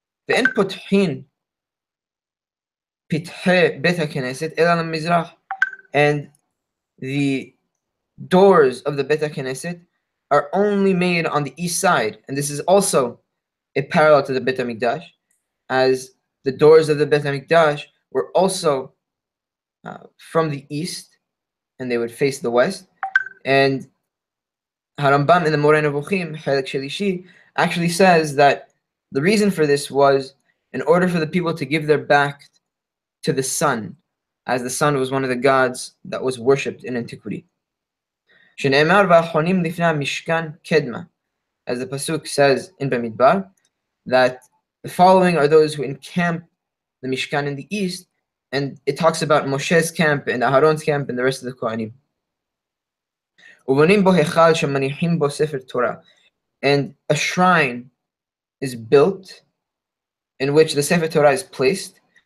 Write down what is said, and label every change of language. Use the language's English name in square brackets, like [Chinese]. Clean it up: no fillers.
[Hebrew] ואין פותחין פתחי בית הכנסת אלא למזרח. [English] And the doors of the Beit HaKnesset are only made on the east side. And this is also a parallel to the Beit HaMikdash, as the doors of the Beit HaMikdash were also from the east, and they would face the west. And Harambam in the Moreh Nevuchim, Chelek Shelishi, actually says that the reason for this was in order for the people to give their back to the sun, as the sun was one of the gods that was worshipped in antiquity. [Hebrew] Shene'emar v'achonim lifna mishkan kedma, [English] as the Pasuk says in Bamidbar, that the following are those who encamp the Mishkan in the east, and it talks about Moshe's camp and Aharon's camp and the rest of the Kohanim. [Hebrew] ובונים בו היכל שמניחים בו ספר תורה. [English] And a shrine is built in which the Sefer Torah is placed.